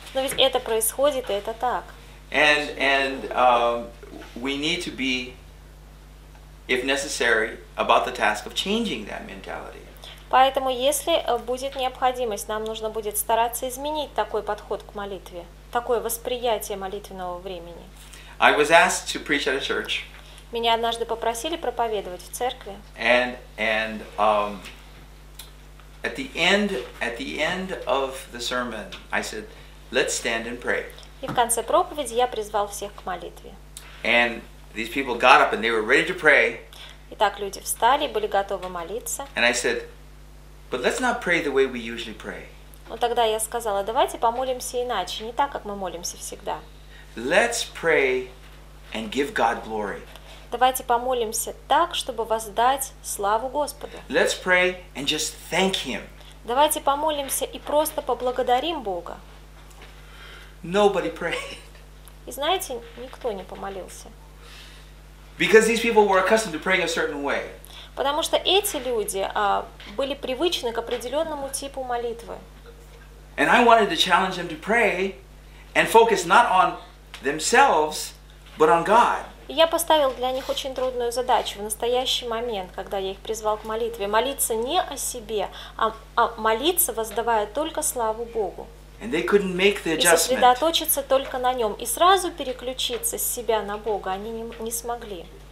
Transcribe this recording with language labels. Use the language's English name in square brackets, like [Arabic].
[Russian] Но ведь это происходит, и это так. [English] And we need to be, if necessary, about the task of changing that mentality. [Russian] Поэтому, если будет необходимость, нам нужно будет стараться изменить такой подход к молитве, такое восприятие молитвенного времени. [English] I was asked to preach at a church. [Russian] Меня однажды попросили проповедовать в церкви. [English] And at the end of the sermon, I said, "Let's stand and pray." [Russian] И в конце проповеди я призвал всех к молитве. [English] And these people got up and they were ready to pray. [Russian] Итак, люди встали и были готовы молиться. [English] And I said, but let's not pray the way we usually pray. [Russian] Но тогда я сказала, давайте помолимся иначе, не так, как мы молимся всегда. [English] Let's pray and give God glory. [Russian] Давайте помолимся так, чтобы воздать славу Господу. [English] Let's pray and just thank Him. [Russian] Давайте помолимся и просто поблагодарим Бога. [English] Nobody prayed. [Russian] И знаете, никто не помолился. [English] Because these people were accustomed to praying a certain way. [Russian] Потому что эти люди были привычны к определенному типу молитвы. [English] And I wanted to challenge them to pray and focus not on themselves, but on God. [Russian] И я поставил для них очень трудную задачу в настоящий момент, когда я их призвал к молитве. Молиться не о себе, а молиться, воздавая только славу Богу. [English] And they couldn't make the adjustment. [Russian] И сосредоточиться только на нем. И сразу переключиться с себя на Бога они не смогли.